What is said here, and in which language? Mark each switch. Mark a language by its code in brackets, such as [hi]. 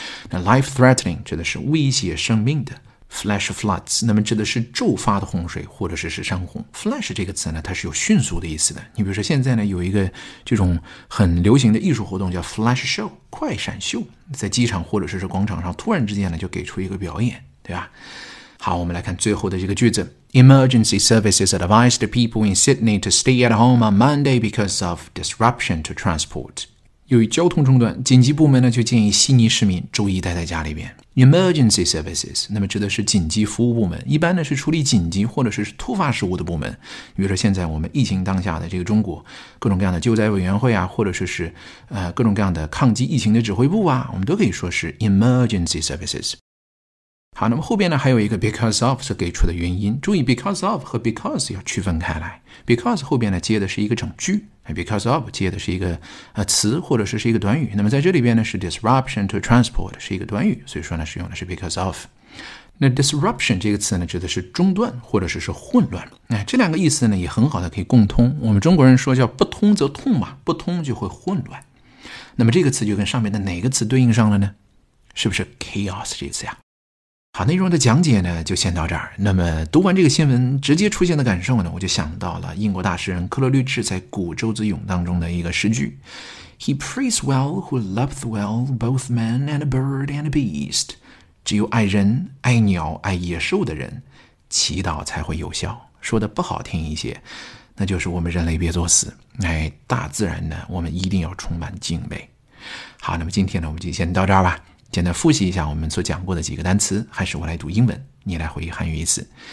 [zh] 那 life threatening 指的是威胁生命的， flash floods, 那么指的是骤发的洪水或者是山洪。 flash 这个词呢它是有迅速的意思的，你比如说现在呢有一个这种很流行的艺术活动叫 flash show, 快闪秀，在机场或者是广场上突然之间呢就给出一个表演，对吧？好，我们来看最后的这个句子。 [en] Emergency services advised people in Sydney to stay at home on Monday because of disruption to transport. [zh] 由于交通中断，紧急部门呢就建议悉尼市民周一待在家里边。 Emergency services, 那么指的是紧急服务部门，一般呢是处理紧急或者是突发事务的部门。比如说现在我们疫情当下的这个中国，各种各样的救灾委员会啊，或者是各种各样的抗击疫情的指挥部啊，我们都可以说是 emergency services。好，那么后边呢还有一个 because of 是给出的原因，注意 because of 和 because 要区分开来。 because 后边呢接的是一个整句， because of 接的是一个词或者是一个短语，那么在这里边呢是 [en] disruption to transport [zh] 是一个短语，所以说呢使用的是 because of。那 disruption 这个词呢指的是中断或者是混乱，这两个意思呢也很好的可以共通，我们中国人说叫不通则痛嘛，不通就会混乱。那么这个词就跟上面的哪个词对应上了呢？是不是 chaos 这个词呀？好，内容的讲解呢就先到这儿。那么读完这个新闻直接出现的感受呢，我就想到了英国大诗人克罗律治在古周子咏当中的一个诗句。 [en] He prays well who loves well both man and bird and beast. [zh] 只有爱人爱鸟爱野兽的人祈祷才会有效。说的不好听一些，那就是我们人类别作死，大自然呢我们一定要充满敬畏。好，那么今天呢我们就先到这儿吧。简单复习一下我们所讲过的几个单词，还是我来读英文，你来回忆汉语一次。